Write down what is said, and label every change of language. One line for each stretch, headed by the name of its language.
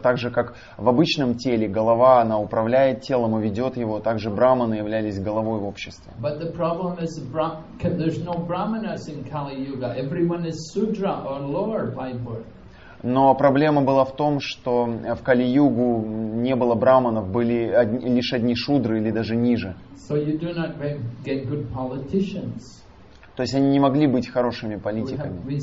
Russian: Так же, как в обычном теле голова, она управляет телом и ведет его, так же брахманы являлись головой в обществе.
English: But the problem is there's no brahmanas in Kali-Yuga. Everyone is sudra or lower by birth.
Russian: Но проблема была в том, что в Кали-Югу не было брахманов, были лишь одни шудры или даже ниже.
English: So you do not get good politicians.
Russian: То есть они не могли быть хорошими политиками.